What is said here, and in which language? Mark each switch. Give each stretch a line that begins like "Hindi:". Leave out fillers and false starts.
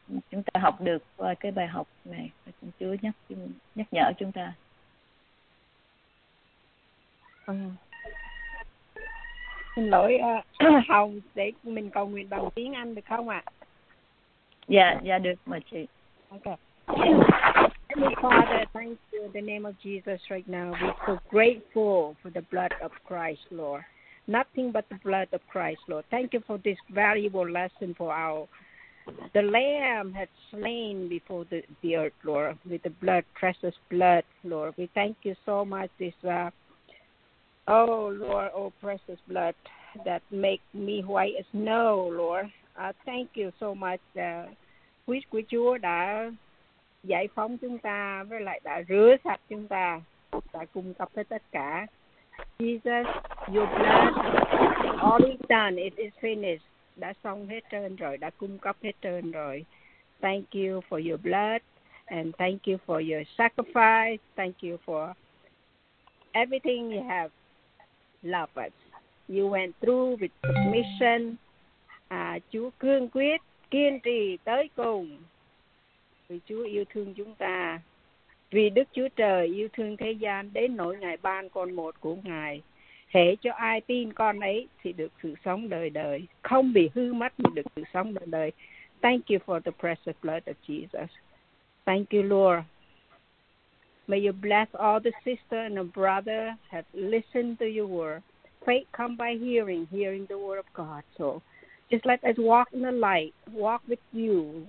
Vietnamese: Chúng ta học được qua cái bài học này, Chúa nhắc nhở chúng ta. Xin lỗi Hồng, để mình cầu nguyện bằng tiếng Anh được không ạ? Dạ, dạ được, mời chị.
English: Okay. Heavenly Father, thanks to the name of Jesus right now. We're so grateful for the blood of Christ, Lord. Nothing but the blood of Christ, Lord. Thank you for this valuable lesson for our. The Lamb had slain before the earth, Lord, with the blood, precious blood, Lord. We thank you so much, this, oh, Lord, oh, precious blood that make me white as snow, Lord. Thank you so much.
Vietnamese: Quý của Chúa đã giải phóng chúng ta, với lại đã rửa sạch chúng ta, đã cung cấp hết tất cả.
English: Jesus, your blood, all is done, it is finished.
Vietnamese: Đã xong hết trơn rồi, đã cung cấp hết trơn rồi.
English: Thank you for your blood and thank you for your sacrifice. Thank you for everything you have loved us. You went through with submission.
Vietnamese: Chúa cương quyết, kiên trì tới cùng. Vì Chúa yêu thương chúng ta. Vì Đức Chúa Trời yêu thương thế gian đến nỗi Ngài ban con một của Ngài. Hễ cho ai tin con ấy thì được sự sống đời đời, không bị hư mất mà được sự sống đời đời.
English: Thank you for the precious blood of Jesus. Thank you, Lord. May you bless all the sister and the brother have listened to your word. Faith come by hearing, hearing the word of God. So just let us walk in the light, walk with you.